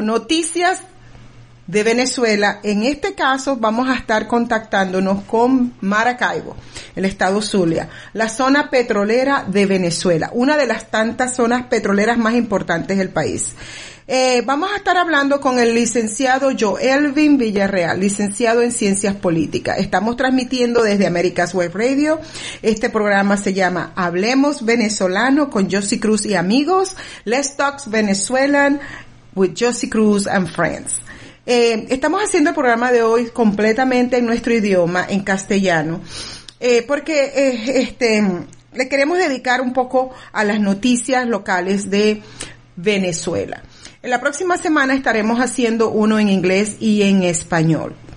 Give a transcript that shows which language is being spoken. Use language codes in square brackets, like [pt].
[es] Noticias de Venezuela. En este caso, vamos a estar contactándonos con Maracaibo, el estado Zulia, la zona petrolera de Venezuela, una de las tantas zonas petroleras más importantes del país. Vamos a estar hablando con el licenciado Joelvin Villarreal, licenciado en Ciencias Políticas. Estamos transmitiendo desde America's Web Radio. Este programa se llama Hablemos Venezolano con Josie Cruz y amigos. [en] Let's Talk Venezuelan with Josie Cruz and Friends. [es] Estamos haciendo el programa de hoy completamente en nuestro idioma, en castellano, porque le queremos dedicar un poco a las noticias locales de Venezuela. En la próxima semana estaremos haciendo uno en inglés y en español.